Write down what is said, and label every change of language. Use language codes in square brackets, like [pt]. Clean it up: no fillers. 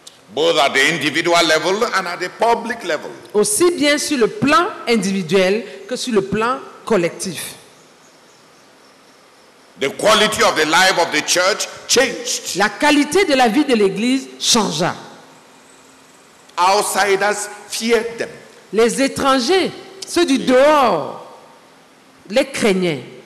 [en] Both at the individual level and at the public level. [fr] Aussi bien sur le plan individuel que sur le plan collectif. [en] The quality of the life of the church changed. [fr] La qualité de la vie de l'église changea. [en] Outsiders feared them. [fr] Les étrangers, ceux du dehors, les craignaient.